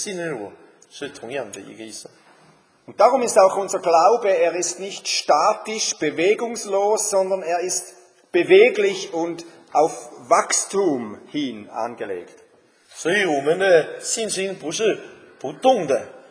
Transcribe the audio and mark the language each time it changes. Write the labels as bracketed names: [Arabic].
[Chinese] 就有点像我一样，如果牧师相信我，就是牧师信任我，是同样的一个意思。 [German] Und darum ist auch unser Glaube, er ist nicht statisch, bewegungslos, sondern er ist beweglich und auf Wachstum hin angelegt. [Chinese] 所以我们的信心不是不动的。